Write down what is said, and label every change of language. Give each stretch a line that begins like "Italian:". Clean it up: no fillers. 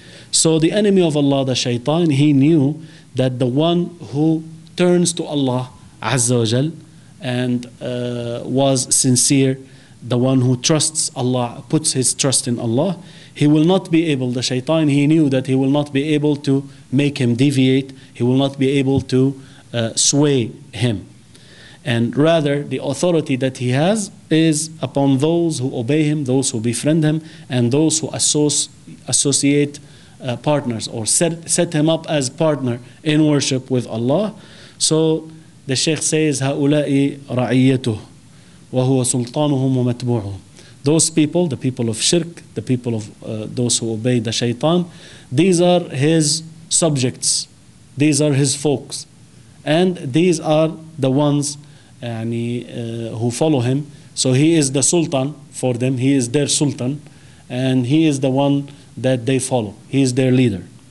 English: So the enemy of Allah, the shaitan, he knew that the one who turns to Allah Azza wa Jal and was sincere, the one who trusts Allah, puts his trust in Allah, he will not be able, the shaitan, he knew that he will not be able to make him deviate, he will not be able to sway him. And rather, the authority that he has is upon those who obey him, those who befriend him, and those who associate partners or set him up as partner in worship with Allah. So the Sheikh says,
Arabic: هَؤُلَاءِ رَعِيَّتُهُ وَهُوَ سُلْطَانُهُمْ وَمَتْبُعُهُمْ.
English: Those people, the people of shirk, the people of those who obey the shaitan, these are his subjects, these are his folks, and these are the ones who follow him. So he is the sultan for them, he is their sultan, and he is the one that they follow, he is their leader.